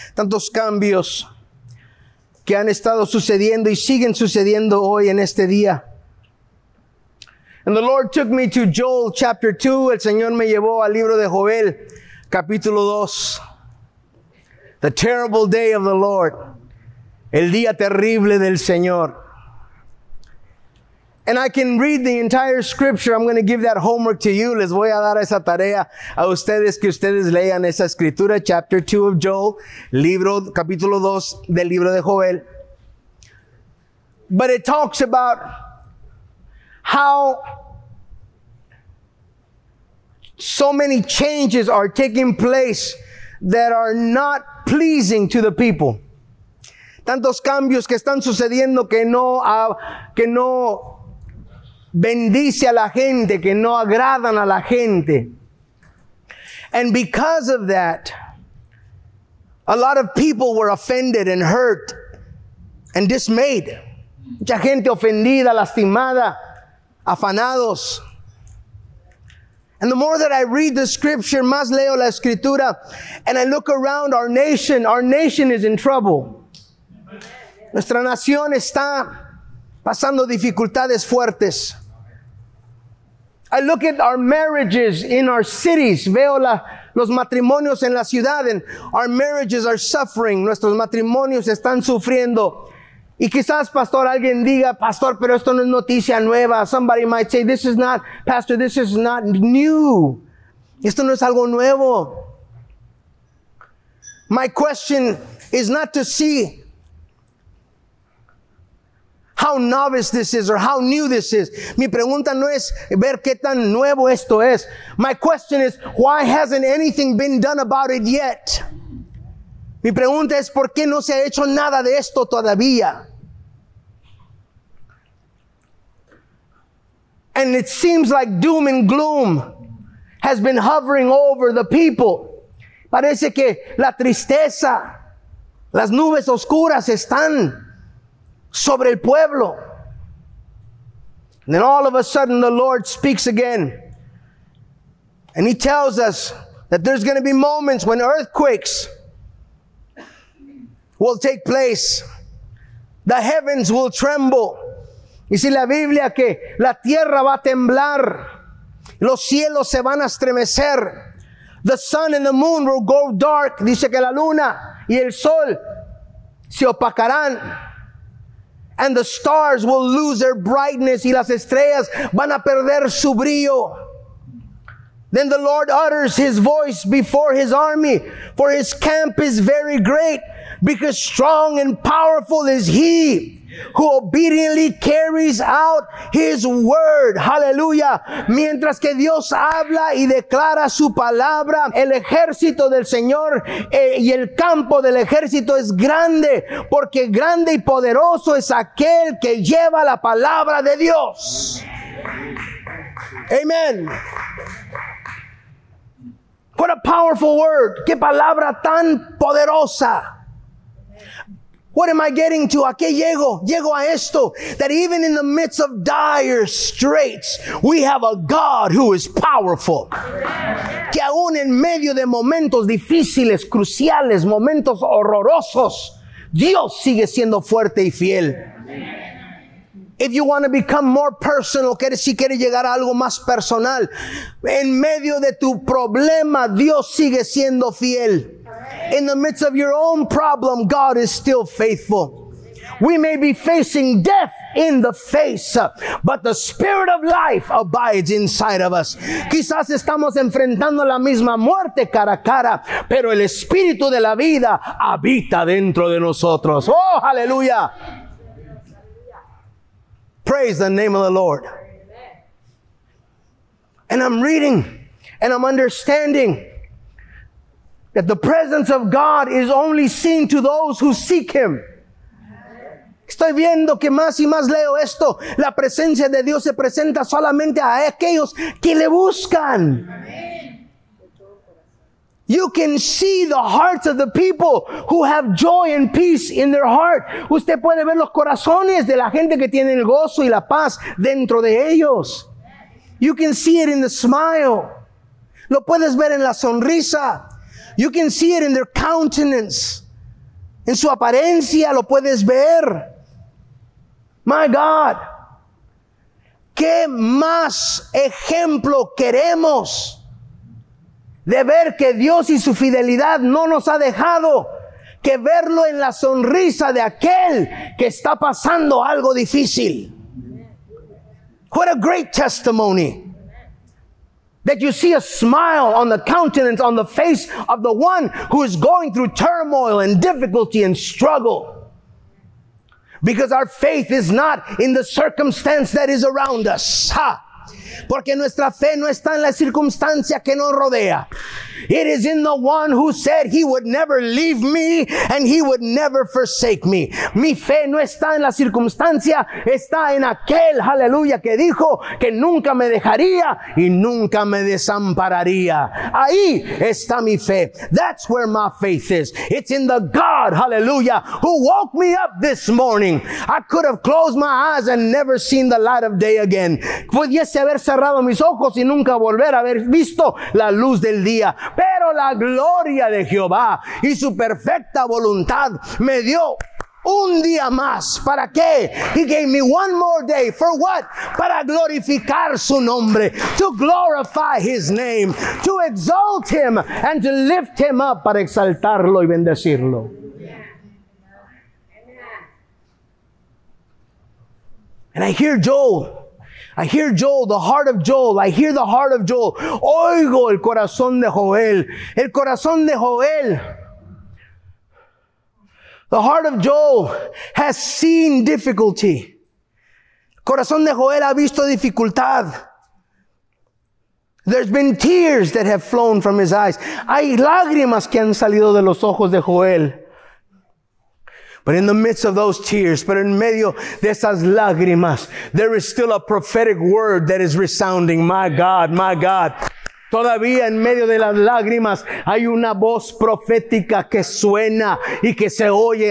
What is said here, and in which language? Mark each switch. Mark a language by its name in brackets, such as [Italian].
[Spanish] Tantos cambios que han estado sucediendo y siguen sucediendo hoy en este día. [English] And the Lord took me to Joel chapter 2. [Spanish] El Señor me llevó al libro de Joel, capítulo 2. [English] The terrible day of the Lord. [Spanish] El día terrible del Señor. [English] And I can read the entire scripture. I'm going to give that homework to you. [Spanish] Les voy a dar esa tarea a ustedes que ustedes lean esa escritura. [English] Chapter 2 of Joel. [Spanish] Libro, capítulo 2 del libro de Joel. [English] But it talks about how so many changes are taking place that are not pleasing to the people. [Spanish] Tantos cambios que están sucediendo que no bendice a la gente, que no agradan a la gente. [English] And because of that, a lot of people were offended and hurt and dismayed. [Spanish] Mucha gente ofendida, lastimada, afanados. [English] And the more that I read the scripture, [Spanish] más leo la escritura, [English] and I look around our nation is in trouble. [Spanish] Nuestra nación está pasando dificultades fuertes. [English] I look at our marriages in our cities. [Spanish] Veo los matrimonios en la ciudad, [English] and our marriages are suffering. [Spanish] Nuestros matrimonios están sufriendo. Y quizás, pastor, alguien diga, pastor, pero esto no es noticia nueva. [English] Somebody might say, this is not, pastor, this is not new. [Spanish] Esto no es algo nuevo. [English] My question is not to see how novice this is or how new this is. [Spanish] Mi pregunta no es ver qué tan nuevo esto es. [English] My question is, why hasn't anything been done about it yet? [Spanish] Mi pregunta es, ¿por qué no se ha hecho nada de esto todavía? [English] And it seems like doom and gloom has been hovering over the people. [Spanish] Parece que la tristeza, las nubes oscuras están sobre el pueblo. [English] And then all of a sudden the Lord speaks again. And he tells us that there's going to be moments when earthquakes will take place. The heavens will tremble. [Spanish] Y si la Biblia que la tierra va a temblar, los cielos se van a estremecer. [English] The sun and the moon will go dark. [Spanish] Dice que la luna y el sol se opacarán. [English] And the stars will lose their brightness. [Spanish] Y las estrellas van a perder su brillo. [English] Then the Lord utters his voice before his army. For his camp is very great, because strong and powerful is he who obediently carries out his word. Hallelujah. [Spanish] Mientras que Dios habla y declara su palabra, el ejército del Señor y el campo del ejército es grande, porque grande y poderoso es aquel que lleva la palabra de Dios. [English] Amen. What a powerful word. [Spanish] Qué palabra tan poderosa. [English] What am I getting to? [Spanish] ¿A qué llego? Llego a esto. [English] That even in the midst of dire straits, we have a God who is powerful. [Spanish] Yeah. Que aún en medio de momentos difíciles, cruciales, momentos horrorosos, Dios sigue siendo fuerte y fiel. [English] If you want to become more personal, [Spanish] si quieres llegar a algo más personal, en medio de tu problema, Dios sigue siendo fiel. [English] In the midst of your own problem, God is still faithful. We may be facing death in the face, but the spirit of life abides inside of us. [Spanish] Quizás estamos enfrentando la misma muerte cara a cara, pero el espíritu de la vida habita dentro de nosotros. [English] Oh, hallelujah. Praise the name of the Lord. And I'm reading and I'm understanding That the presence of God is only seen to those who seek Him. [Spanish] Estoy viendo que más y más leo esto. La presencia de Dios se presenta solamente a aquellos que le buscan. [English] You can see the hearts of the people who have joy and peace in their heart. [Spanish] Usted puede ver los corazones de la gente que tiene el gozo y la paz dentro de ellos. [English] You can see it in the smile. [Spanish] Lo puedes ver en la sonrisa. [English] You can see it in their countenance. [Spanish] En su apariencia lo puedes ver. [English] My God. [Spanish] ¿Qué más ejemplo queremos? De ver que Dios y su fidelidad no nos ha dejado que verlo en la sonrisa de aquel que está pasando algo difícil. [English] What a great testimony. That you see a smile on the countenance, on the face of the one who is going through turmoil and difficulty and struggle. Because our faith is not in the circumstance that is around us. Ha! [Spanish] Porque nuestra fe no está en la circunstancia que nos rodea. [English] It is in the one who said he would never leave me and he would never forsake me. [Spanish] Mi fe no está en la circunstancia, está en aquel, aleluya, que dijo que nunca me dejaría y nunca me desampararía. Ahí está mi fe. [English] That's where my faith is. It's in the God, hallelujah, who woke me up this morning. I could have closed my eyes and never seen the light of day again. [Spanish] Pudiese haber cerrado mis ojos y nunca volver a haber visto la luz del día. Pero la gloria de Jehová y su perfecta voluntad me dio un día más. ¿Para qué? [English] He gave me one more day. ¿For what? [Spanish] Para glorificar su nombre. [English] To glorify his name. To exalt him and to lift him up. Para exaltarlo y bendecirlo. And I hear Joel. I hear Joel, the heart of Joel. I hear the heart of Joel. [Spanish] Oigo el corazón de Joel. El corazón de Joel. [English] The heart of Joel has seen difficulty. [Spanish] El corazón de Joel ha visto dificultad. [English] There's been tears that have flown from his eyes. [Spanish] Hay lágrimas que han salido de los ojos de Joel. [English] But in the midst of those tears, [Spanish] pero en medio de esas lágrimas, [English] there is still a prophetic word that is resounding. My God, my God. [Spanish] Todavía en medio de las lágrimas hay una voz profética que suena y que se oye.